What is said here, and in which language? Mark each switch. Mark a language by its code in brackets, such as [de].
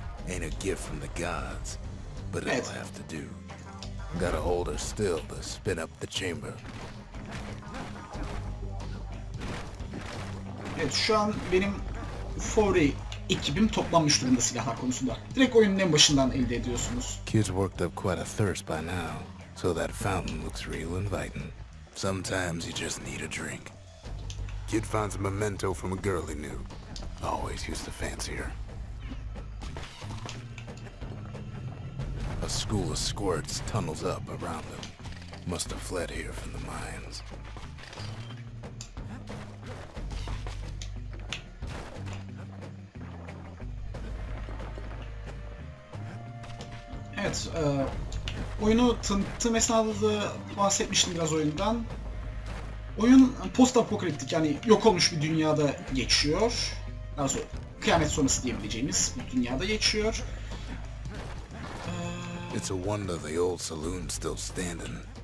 [en] Ain't a gift from the gods, but it'll have to do. Gotta hold her still to spin up the chamber. [tr] Evet, şu an benim Fori ekibim toplanmış durumda silahlar konusunda. Direkt oyunun en başından elde ediyorsunuz. [en] Kids worked up quite a thirst by now, so that fountain looks real inviting. Sometimes you just need a drink. Kid finds a memento from a girl he knew. Always used to fancy her. A school of squirts tunnels up around them. Must have fled here from the mines. [tr] Evet, oyunu tanıttığım esnada da bahsetmiştim biraz oyundan. Oyun post apokaliptik, yani yok olmuş bir dünyada geçiyor. Daha sonra kıyamet sonrası diyebileceğimiz bir dünyada geçiyor. [en] It's a wonder the old saloon still standing.